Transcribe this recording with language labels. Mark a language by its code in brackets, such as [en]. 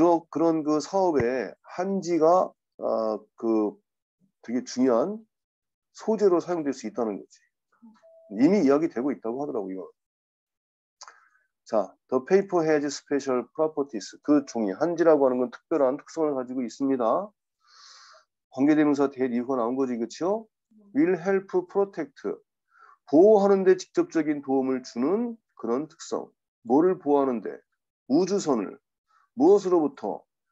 [ko] 그런 그 사업에 한지가 되게 중요한 소재로 사용될 수 있다는 거지. 이미 이야기 되고 있다고 하더라고, 이거. [en] 자, The Paper has special properties. [ko] 그 종이, 한지라고 하는 건 특별한 특성을 가지고 있습니다. 관계대명사 대 이후가 나온 거지, 그쵸? [en] Will help protect. [ko] 보호하는데 직접적인 도움을 주는 그런 특성. 뭐를 보호하는데? 우주선을. 무엇으로부터?